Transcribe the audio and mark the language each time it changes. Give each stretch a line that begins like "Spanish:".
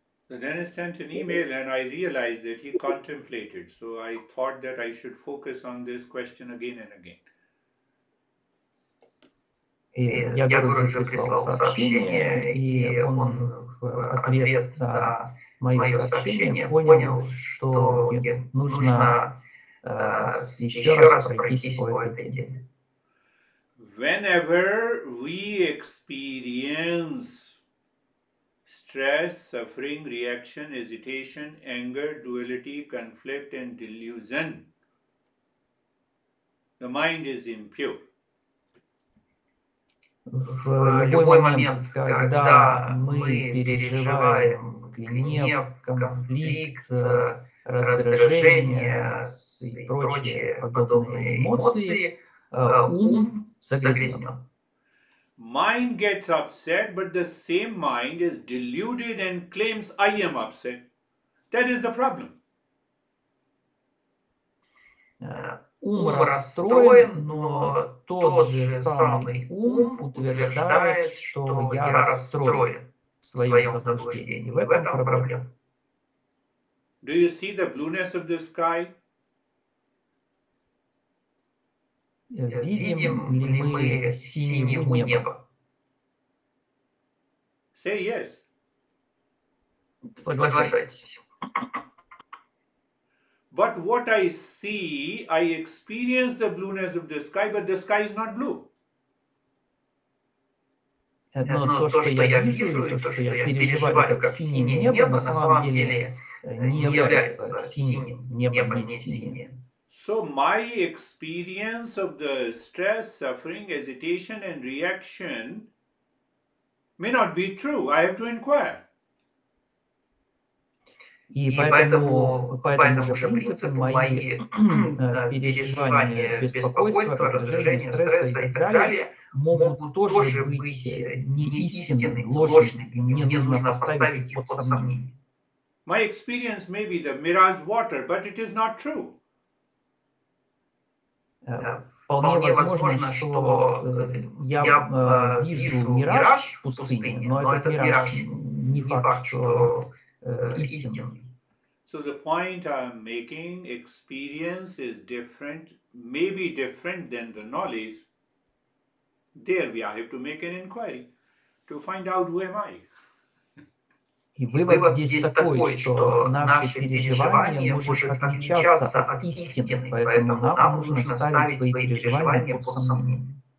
English: And then he sent an email and I realized that he contemplated. So I thought that I should focus on this question again and again.
Russian: Я Гуру уже прислал сообщение, и он в ответ на мое сообщение понял, что нужно еще раз пройтись по этой теме.
English: Whenever we experience stress, suffering, reaction, hesitation, anger, duality, conflict, and delusion, the mind is impure.
Russian: В любой момент, когда мы переживаем гнев, конфликт, раздражение и прочие подобные эмоции, ум загрязнен.
English: Mind gets upset, but the same mind is deluded and claims I am upset. That is the problem.
Russian: Ум расстроен, но тот же самый ум утверждает, что я расстроен в своем заблуждении. В этом проблема.
English: Do you see the blueness of the sky?
Russian: Видим ли мы синему небо?
English: Say yes.
Russian: Соглашайтесь.
English: But what I see, I experience the blueness of the sky, but the sky is not blue.
Russian: Но то, что я вижу, то, что я переживаю как синее небо, на самом деле не является синим. Небо не синее.
English: So my experience of the stress, suffering, hesitation and reaction may not be true. I have to inquire.
Russian: И поэтому же принципу мои переживания, беспокойство, раздражение, стресса и так далее могут тоже быть неистинными, ложными. Мне нужно поставить под сомнение.
English: My experience may be the mirage water, but it is not true.
Russian: Вполне возможно, что я вижу мираж в пустыне, но этот мираж не факт, что истинный.
English: So the point I'm making, experience is different, maybe different than the knowledge. There we have to make an inquiry to find out who am I.
Russian: И вывод здесь такой, что наши переживания могут отличаться от истины, поэтому нам нужно ставить свои переживания под сомнение.